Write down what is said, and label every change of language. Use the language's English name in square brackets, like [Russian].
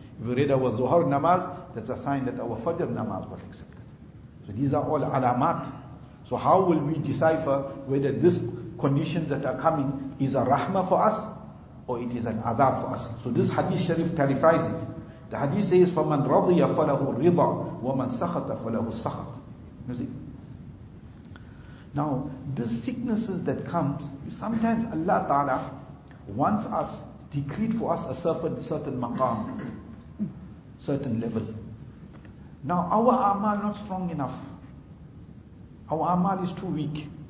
[English] If we read our Zuhar namaz, that's a sign that our Fajr namaz got accepted. So these are all alamat. So how will we decipher whether this condition that are coming is a rahmah for us or it is an adab for us? So this hadith sharif clarifies it. The hadith says, [Arabic] فَمَنْ رَضِيَ فَلَهُ الرِّضَى وَمَنْ سَخَطَ فَلَهُ السَّخَطَ. [English] You see? Now, the sicknesses that come, sometimes Allah Ta'ala wants us, decreed for us a certain maqam, certain level. Now, our amal not strong enough. Our amal is too weak.